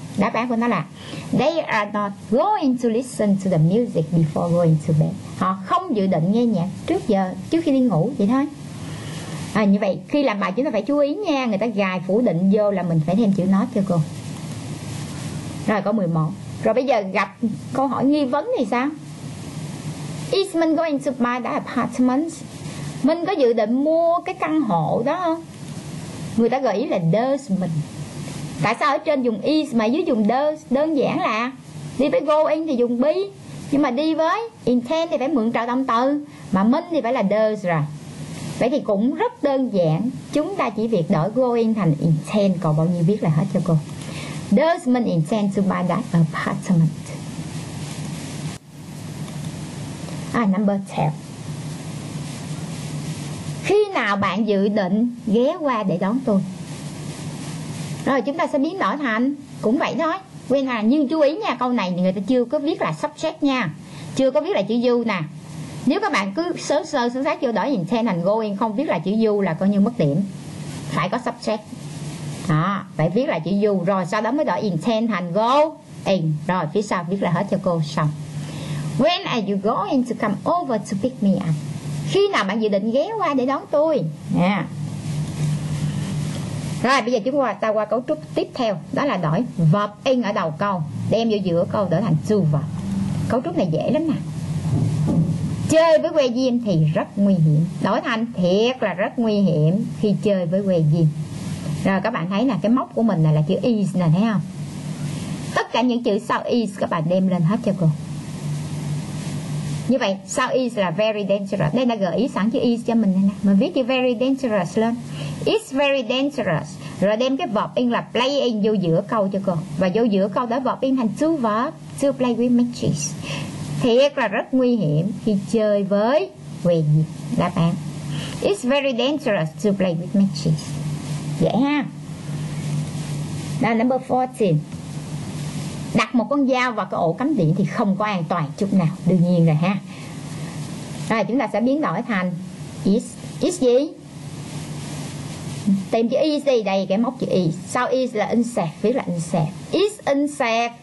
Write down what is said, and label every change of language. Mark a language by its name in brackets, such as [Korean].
[Vietnamese] Đáp án của nó là [English] they are not going to listen to the music before going to bed. [Vietnamese] Họ không dự định nghe nhạc trước giờ, trước khi đi ngủ, vậy thôi. À, như vậy khi làm bài chúng ta phải chú ý nha, người ta gài phủ định vô là mình phải thêm chữ not cho cô. Rồi có 11. Rồi bây giờ gặp câu hỏi nghi vấn thì sao? [English] Is mình going to buy that apartment? [Vietnamese] Mình có dự định mua cái căn hộ đó không? Người ta gợi ý là does mình. Tại sao ở trên dùng is mà dưới dùng does? Đơn giản là đi với going thì dùng be, nhưng mà đi với intend thì phải mượn trợ động từ, mà mình thì phải là does rồi. Vậy thì cũng rất đơn giản, chúng ta chỉ việc đổi going thành intend, còn bao nhiêu viết là hết cho cô. [English] Does mình intend to buy that apartment? À, number 10. [Vietnamese] Khi nào bạn dự định ghé qua để đón tôi? Rồi chúng ta sẽ biến đổi thành cũng vậy thôi. [English] When are, [Vietnamese] nhưng chú ý nha, câu này người ta chưa có viết là subject nha. Chưa có viết là chữ you nè. Nếu các bạn cứ sớ sát vô đổi intend thành going, không viết là chữ you là coi như mất điểm. Phải có subject. Đó, phải viết là chữ you rồi sau đó mới đổi intend thành going. Rồi phía sau viết là hết cho cô xong. [English] When are you going to come over to pick me up? [Vietnamese] Khi nào bạn dự định ghé qua để đón tôi? Nha. Yeah. Rồi bây giờ chúng ta qua cấu trúc tiếp theo, đó là đổi verb in ở đầu câu đem vô giữa câu đổi thành to verb. Cấu trúc này dễ lắm nè. Chơi với que diêm thì rất nguy hiểm. Đổi thành thiệt là rất nguy hiểm khi chơi với que diêm. Rồi các bạn thấy nè, cái móc của mình này là chữ is nè, thấy không? Tất cả những chữ sau is các bạn đem lên hết cho cô. Như vậy sau is là very dangerous. Đây là gợi ý sẵn chữ is cho mình nè. Mình viết chữ very dangerous lên. [English] It's very dangerous. [Vietnamese] Rồi đem cái verb in là playing vô giữa câu cho cô. Và vô giữa câu đó verb in thành to verb, [English] to play with matches. [Vietnamese] Thiệt là rất nguy hiểm khi chơi với què diêm. Đáp án: [English] it's very dangerous to play with matches. [Vietnamese] Dễ ha. Đó, number 14. Đặt một con dao vào cái ổ cắm điện thì không có an toàn chút nào. Đương nhiên rồi ha. Rồi chúng ta sẽ biến đổi thành is gì? Tìm chữ easy, đây cái móc chữ is. Sau is là unsafe, viết là unsafe. Is unsafe.